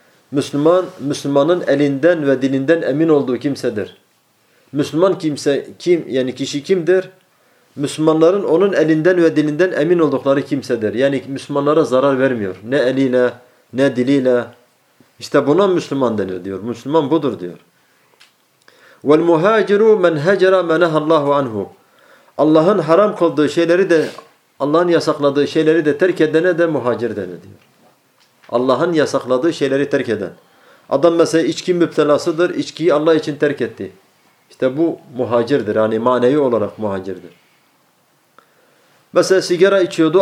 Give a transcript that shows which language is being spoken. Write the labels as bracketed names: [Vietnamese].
[Turkish] Müslüman, Müslümanın elinden ve dilinden emin olduğu kimsedir. Müslüman kimse kim, yani kişi kimdir? Müslümanların onun elinden ve dilinden emin oldukları kimsedir. Yani Müslümanlara zarar vermiyor. Ne eliyle, ne diliyle. İşte buna Müslüman denir diyor. Müslüman budur diyor. [Arabic] وَالْمُهَاجِرُوا مَنْ هَجَرَ مَنَهَ اللّٰهُ عَنْهُ. [Turkish] Allah'ın haram kıldığı şeyleri de Allah'ın yasakladığı şeyleri de terk edene de muhacir denir diyor. Allah'ın yasakladığı şeyleri terk eden. Adam mesela içki müptelasıdır. İçkiyi Allah için terk etti. İşte bu muhacirdir. Yani manevi olarak muhacirdir. Mesela sigara içiyordu.